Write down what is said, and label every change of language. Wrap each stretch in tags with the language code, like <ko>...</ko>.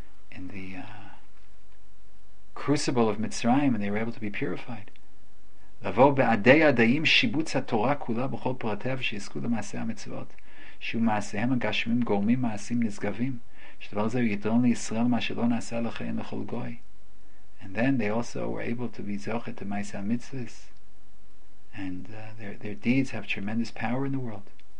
<en>They were also in the crucible of Mitzrayim and they were able to be purified.</en> <he>לבוא בעדי עדיים שיבוץ התורה כולה בכל פרטיה ושיזכו למעשה המצוות שהוא מעשיהם הגשמים גורמים מעשים נשגבים שדבר זה הוא יתרון לישראל מה שלא נעשה לחיים לכל גוי.</he> <en>And then they also were able to be zochet to maaseh mitzvos, and their deeds have tremendous power in the world.</en>